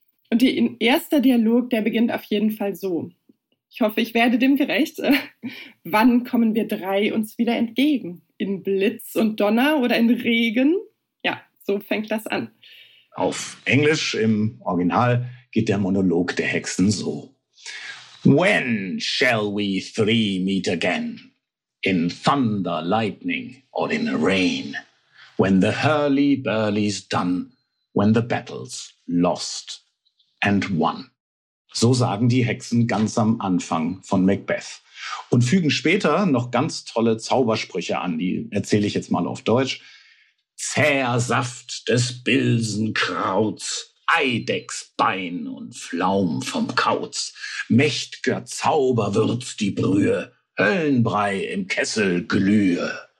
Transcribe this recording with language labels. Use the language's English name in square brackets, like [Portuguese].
[German] Und ihr erster Dialog, der beginnt auf jeden Fall so. Ich hoffe, ich werde dem gerecht. Wann kommen wir drei uns wieder entgegen? In Blitz und Donner oder in Regen? Ja, so fängt das an. Auf Englisch im Original geht der Monolog der Hexen so. [English] When shall we three meet again? In thunder, lightning or in rain? When the hurly-burly's done? When the battle's lost and won? [German] So sagen die Hexen ganz am Anfang von Macbeth und fügen später noch ganz tolle Zaubersprüche an. Die erzähle ich jetzt mal auf Deutsch. Zäher Saft des Bilsenkrauts, Eidechsbein und Pflaum vom Kauz, mächt'ger Zauberwürz die Brühe, Höllenbrei im Kessel glühe.